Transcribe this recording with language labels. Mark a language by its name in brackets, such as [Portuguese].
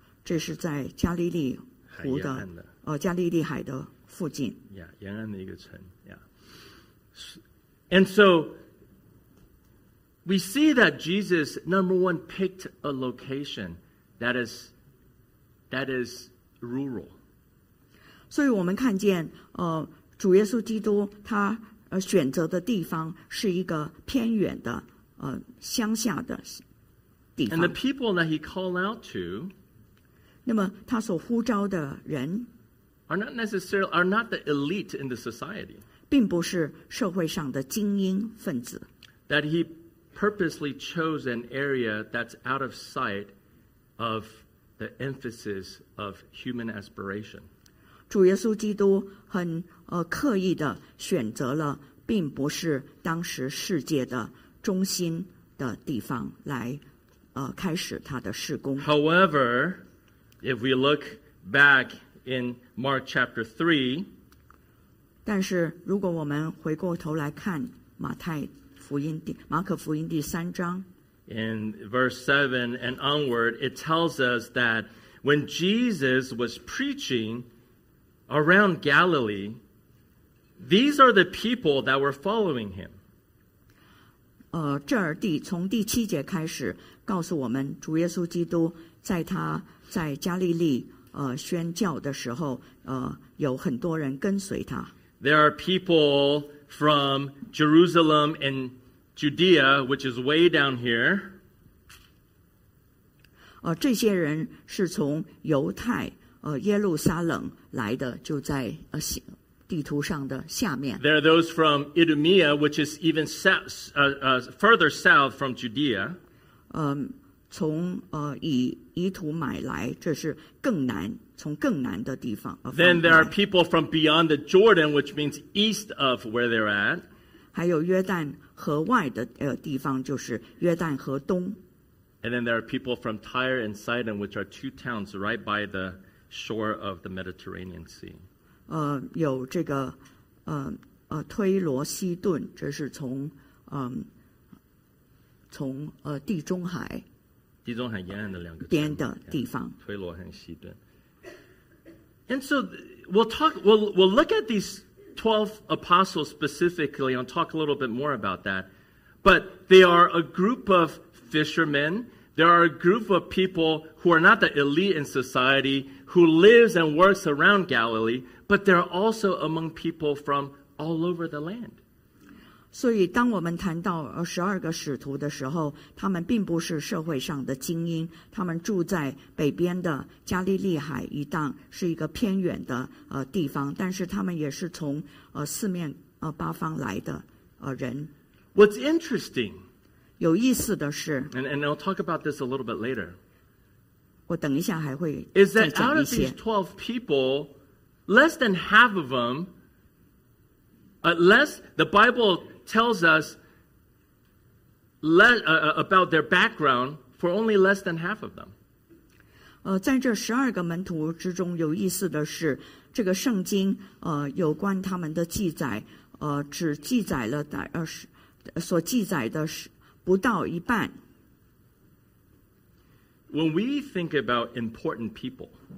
[Chinese] 这是在加利利湖的，加利利海的附近。沿岸的一个城。 [English] And so we see that Jesus, number one, picked a location that is rural. [Chinese] 所以我们看见，主耶稣基督他选择的地方是一个偏远的，乡下的地方。 [English] And the people that he called out to, [Chinese] 那么他所呼召的人 [English] are not the elite in the society. [Chinese] 并不是社会上的精英分子。 [English] That he purposely chose an area that's out of sight of the emphasis of human aspiration. [Chinese] 主耶稣基督很刻意的选择了并不是当时世界的中心的地方来开始他的事工。 [English] However, if we look back in Mark chapter 3, [Chinese] 但是如果我们回过头来看马可福音第三章 [English] in verse 7 and onward, it tells us that when Jesus was preaching around Galilee, these are the people that were following him. [Chinese] 这儿从第七节开始告诉我们主耶稣基督在他在加利利宣教的时候有很多人跟随他。 [English] There are people from Jerusalem and Judea, which is way down here. [Chinese] 这些人是从犹太耶路撒冷来的，就在地图上的下面。 [English] There are those from Idumea, which is even further south from Judea. [Chinese] 从以图买来，这是更南。从更南的地方, [English] Then there are people from beyond the Jordan, which means east of where they're at. [Chinese] 还有约旦河外的地方就是约旦河东。 [English] And then there are people from Tyre and Sidon, which are two towns right by the shore of the Mediterranean Sea. [Chinese] 有这个推罗西顿，这是从地中海沿岸的两个边的地方，推罗和西顿。 [English] And so we'll look at these 12 apostles specifically and talk a little bit more about that. But they are a group of fishermen. They are a group of people who are not the elite in society, who lives and works around Galilee, but they're also among people from all over the land. [Chinese] 所以当我们谈到12个使徒的时候，他们并不是社会上的精英，他们住在北边的加利利海一带，是一个偏远的地方，但是他们也是从四面八方来的人。 [English] What's interesting, [Chinese] 有意思的是 [English] and I'll talk about this a little bit later, [Chinese] 我等一下还会再讲一些。 [English] Is that out of these 12 people, less than half of them,Unless the Bible tells us about their background for only less than half of them. [Chinese] 在这十二个门徒之中，有意思的是，这个圣经有关他们的记载只记载了所记载的不到一半。 [English] When we think about important people,